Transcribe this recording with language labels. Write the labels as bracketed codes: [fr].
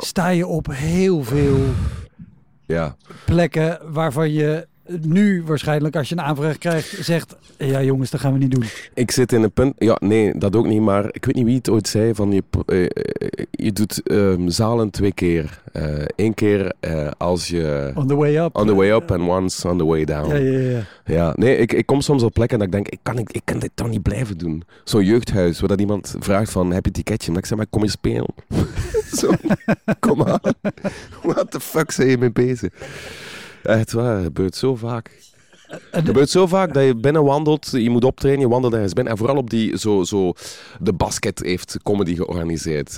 [nl] Sta je op heel veel plekken waarvan je nu waarschijnlijk, als je een aanvraag krijgt, zegt, ja jongens, dat gaan we niet doen. Ik zit in een punt, ja nee, dat ook niet, maar ik weet niet wie het ooit zei, van je doet zalen twee keer. Eén keer als je... [en] On the way up. On the way up and once on the way down. [nl] Ja. Nee, ik kom soms op plekken dat ik denk, ik kan dit toch niet blijven doen. Zo'n jeugdhuis, waar dat iemand vraagt van, heb je een ticketje? En ik zeg maar, kom je spelen? Zo, kom aan. [en] What the fuck [nl] zijn je mee bezig? Echt waar, het gebeurt zo vaak. Het gebeurt zo vaak dat je binnen wandelt, je moet optrainen, je wandelt ergens binnen. En vooral op die, zo de basket heeft comedy georganiseerd.